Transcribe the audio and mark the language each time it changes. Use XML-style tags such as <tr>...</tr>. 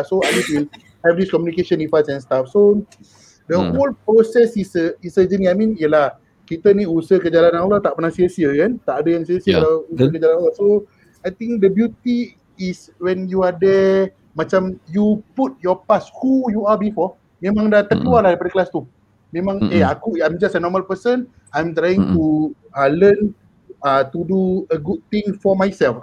<en>So, Alif will have this communication with us and stuff. So, the whole process is a journey. I mean, yelah,</en> <ms>kita ni usaha ke jalan Allah tak pernah sia-sia kan, tak ada yang sia-sia kalau usaha ke jalan Allah.</ms> <en>So I think the beauty is when you are there, macam you put your past, who you are before,</en> <ms>memang dah terkeluar lah daripada kelas tu. Memang eh, aku,</ms> <en>I'm just a normal person, I'm trying to learn to do a good thing for myself.</en>